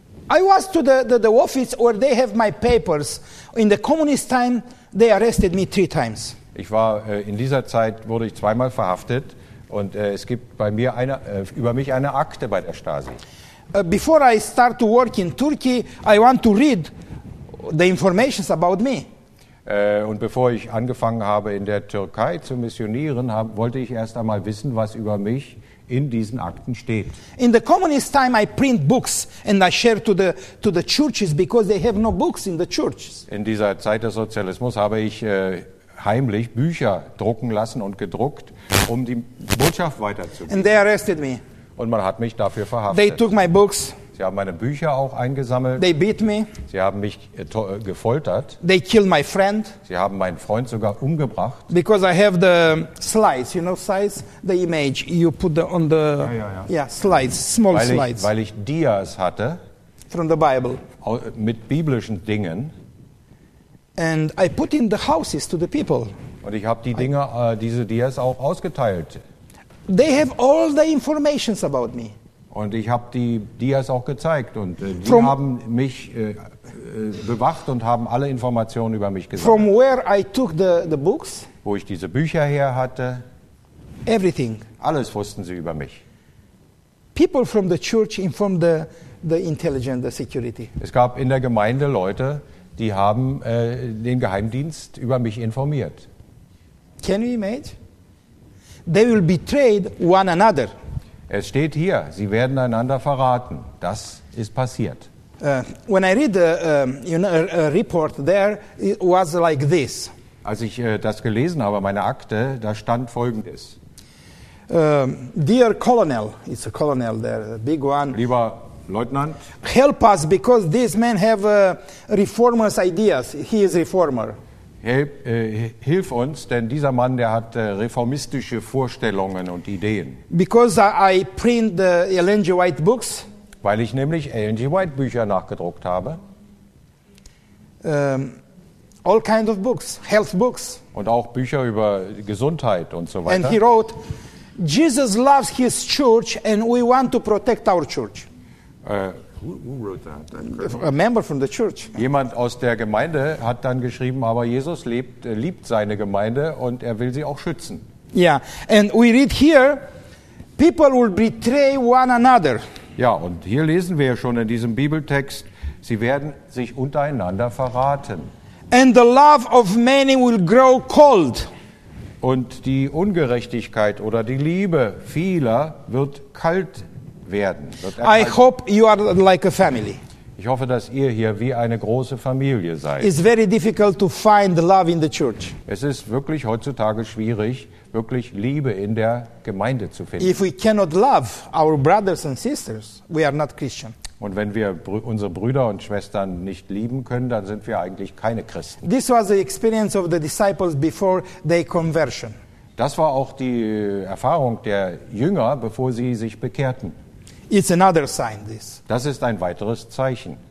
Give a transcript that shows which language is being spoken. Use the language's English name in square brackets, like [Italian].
[English] I was to the office where they have my papers. In the communist time, they arrested me 3 times. [German] Ich war in dieser Zeit wurde ich zweimal verhaftet und es gibt bei mir über mich eine Akte bei der Stasi. [English] Before I start to work in Turkey, I want to read the informations about me. [German] Und bevor ich angefangen habe, in der Türkei zu missionieren, wollte ich erst einmal wissen, was über mich in diesen Akten steht. [English] In the communist time I print books and I share to the churches because they have no books in the churches. [German] In dieser Zeit des Sozialismus habe ich heimlich Bücher drucken lassen und gedruckt, um die Botschaft weiterzugeben. [English] And they arrested me. [German] Und man hat mich dafür verhaftet. [English] They took my books. [German] Sie haben meine Bücher auch eingesammelt. [English] They beat me. [German] Sie haben mich gefoltert. [English] They killed my friend. [German] Sie haben meinen Freund sogar umgebracht. [English] Because I have the slides, you know, slides, the image you put on the slides, small [German] weil ich, [English] slides. [German] Weil ich Dias hatte. [English] From the Bible. [German] Mit biblischen Dingen. [English] And I put in the houses to the people. [German] Und ich habe die Dinge, diese Dias auch ausgeteilt. [English] They have all the informations about me. [German] Und ich habe die Dias auch gezeigt und die from haben mich bewacht und haben alle Informationen über mich gesammelt. [English] From where I took the books, [German] wo ich diese Bücher her hatte, [English] everything. [German] Alles wussten sie über mich. [English] People from the church informed the intelligence, the security. [German] Es gab in der Gemeinde Leute, die haben den Geheimdienst über mich informiert. [English] Can you imagine? They will betray one another. [German] Es steht hier, sie werden einander verraten. Das ist passiert. [English] When I read the report there, it was like this. [German] Als ich das gelesen habe, meine Akte, da stand Folgendes. [English] Dear Colonel, it's a colonel there, a big one. [German] Lieber Leutnant. [English] Help us, because this man have reformers ideas. He is reformer. [German] Hilf uns, denn dieser Mann, der hat reformistische Vorstellungen und Ideen. [English] Because I print the Ellen G. White books. [German] Weil ich nämlich Ellen G. White Bücher nachgedruckt habe. [English] All kinds of books, health books. [German] Und auch Bücher über Gesundheit und so weiter. [English] And he wrote, Jesus loves his church and we want to protect our church. Who wrote that? A member from the church. [German] Jemand aus der Gemeinde hat dann geschrieben, aber Jesus liebt seine Gemeinde und er will sie auch schützen. [English] Yeah, and we read here, people will betray one another. [German] Ja, und hier lesen wir schon in diesem Bibeltext, sie werden sich untereinander verraten. [English] And the love of many will grow cold. [German] Und die Ungerechtigkeit oder die Liebe vieler wird kalt werden. [English] I hope you are like a family. [German] Ich hoffe, dass ihr hier wie eine große Familie seid. [English] It's very difficult to find love in the church. [German] Es ist wirklich heutzutage schwierig, wirklich Liebe in der Gemeinde zu finden. [English] If we cannot love our brothers and sisters, we are not Christian. [German] Und wenn wir unsere Brüder und Schwestern nicht lieben können, dann sind wir eigentlich keine Christen. [English] This was the experience of the disciples before their conversion. [German] Das war auch die Erfahrung der Jünger, bevor sie sich bekehrten. [English] It's another sign, this. [German] Das ist ein weiteres Zeichen.